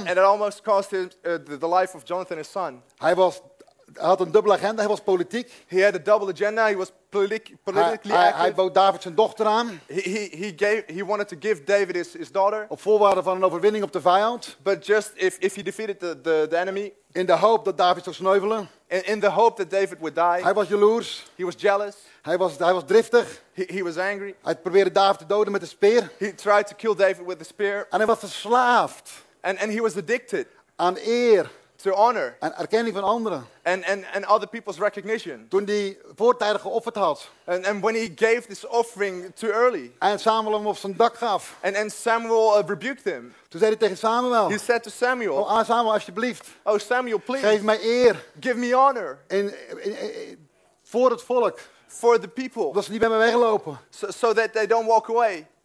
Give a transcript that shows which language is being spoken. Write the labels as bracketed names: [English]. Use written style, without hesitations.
[English] And it almost cost him the life of Jonathan, his son. [Dutch] Hij had een dubbele agenda. Hij was politiek. [English] He had a double agenda. He was politically active. [Dutch] Hij bood David zijn dochter aan. [English] He wanted to give David his daughter. [Dutch] Op voorwaarde van een overwinning op de vijand. [English] But just if he defeated the enemy. [Dutch] In de hoop dat David zou sneuvelen. [English] In the hope that David would die. [Dutch] Hij was jaloers. [English] He was jealous. [Dutch] Hij was driftig. [English] He was angry. [Dutch] Hij probeerde David te doden met een speer. [English] He tried to kill David with a spear. [Dutch] En hij was verslaafd. [English] And he was addicted. [Dutch] Aan eer. [English] To honor. [Dutch] En erkenning van anderen. [English] And other people's recognition. [Dutch] Toen die voortijdig geofferd had. [English] And when he gave this offering too early. [Dutch] En Samuel hem op zijn dak gaf. [English] And Samuel rebuked him. [Dutch] Toen zei hij tegen Samuel. [English] He said to Samuel. [Dutch] Oh Samuel, alsjeblieft. [English] Oh Samuel, please. [Dutch] Geef mij eer. [English] Give me honor. [Dutch] In voor het volk. [English] For the people. [Dutch] Dat ze niet bij mij weglopen. [English] So that they don't walk away.